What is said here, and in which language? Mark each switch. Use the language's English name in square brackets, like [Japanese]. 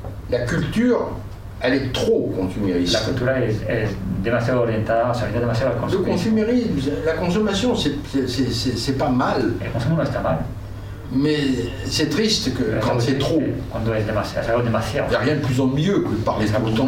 [French] La culture, elle est trop consumériste. [Spanish] La cultura es demasiado orientada, o sea, demasiado al consumo. [French] Le consumérisme, la consommation, c'est pas mal. [Spanish] El consumo no está mal. [French] Mais c'est triste que pero quand c'est trop. [Spanish] Cuando es demasiado, [French] il n'y a rien de plus ennuyeux que de parler tout le temps.